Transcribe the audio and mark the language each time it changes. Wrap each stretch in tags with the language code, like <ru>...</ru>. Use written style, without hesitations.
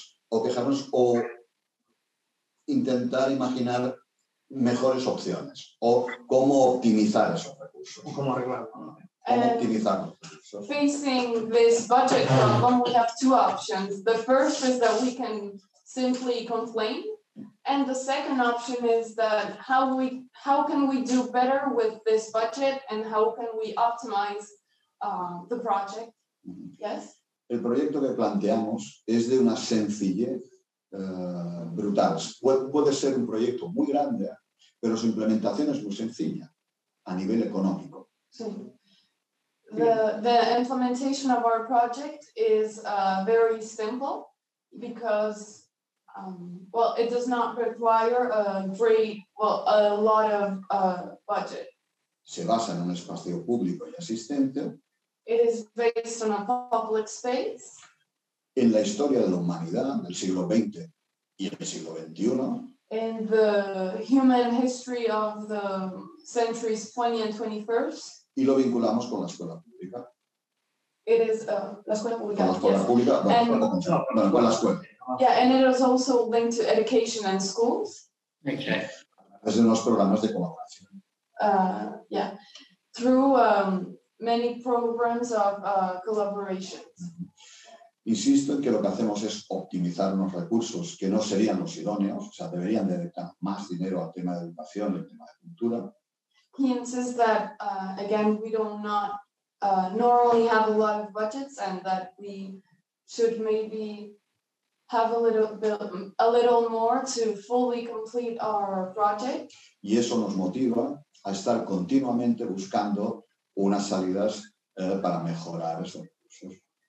<es>O quejarnos, o intentar imaginar mejores opciones o cómo optimizar esos recursos. ¿Cómo arreglarlo? ¿Cómo optimizar los recursos?</es> <en>Facing this budget problem, we have two options. The first is that we can simply complain, and the second option is that how can we do better with this budget and how can we optimize the project? Yes.</en> <es>El proyecto que planteamos es de una sencillez brutal. Puede ser un proyecto muy grande, pero su implementación es muy sencilla a nivel económico. Sí.</es> <en>The implementation of our project is very simple because Well, it does not require a great, well, a lot of budget.</en> <es>Se basa en un espacio público y asistente.</es> <en>It is based on a public space.</en> <es>En la historia de la humanidad del siglo XX y el siglo XXI.</es> <en>In the human history of the centuries 20 and 21st.</en> <es>Y lo vinculamos con la escuela pública.</es> <en>It is</en> <es>la escuela pública. Con la escuela pública. Bueno, con la escuela.</es> <en>Yeah, and it is also linked to education and schools. Okay.</en> <es>Es en los programas de colaboración.</es> <en>Yeah, through many programs of collaborations.</en> <es>Insisto en que lo que hacemos es optimizar unos recursos que no serían los idóneos, o sea, deberían dedicar más dinero al tema de educación y al tema de cultura.</es> <en>He insists that, again, we do not normally have a lot of budgets and that we should maybe have a little more to fully complete our project.</en> <es>Y eso nos motiva a estar continuamente buscando unas salidas para mejorar esos recursos.</es>